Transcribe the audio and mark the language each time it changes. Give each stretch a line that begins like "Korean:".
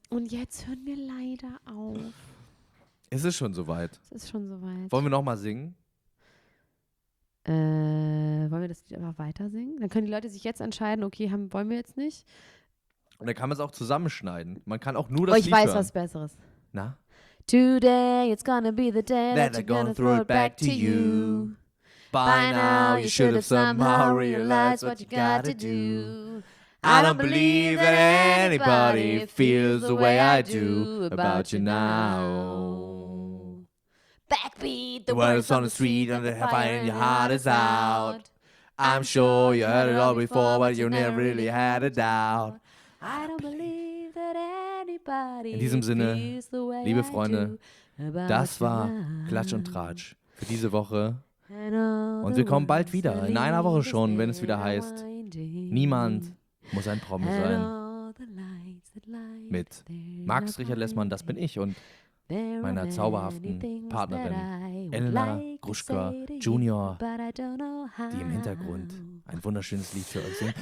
German: und jetzt hören wir leider auf. Es ist schon soweit. Wollen wir nochmal singen? Wollen wir das Lied einfach weiter singen? Dann können die Leute sich jetzt entscheiden, okay, wollen wir jetzt nicht. Und dann kann man es auch zusammenschneiden. Man kann auch nur das Lied hören. Oh, ich weiß was Besseres. Na?
English: Today it's gonna be the day that they're gonna throw it back to you. By now you should have somehow realized what you gotta do. I don't believe that anybody feels the way I do about you now. Backbeat, the words on the street and the fire in your heart is out. I'm sure you heard it all before, but you never really had a doubt. I don't believe that anybody.
German: In diesem Sinne, liebe Freunde, das war Klatsch und Tratsch für diese Woche. Und wir kommen bald wieder, in einer Woche schon, wenn es wieder heißt, niemand muss ein Promi sein. Mit Max Richard Lessmann, das bin ich, und meiner zauberhaften Partnerin Elena Gruschka Junior, die im Hintergrund ein wunderschönes Lied für euch singt.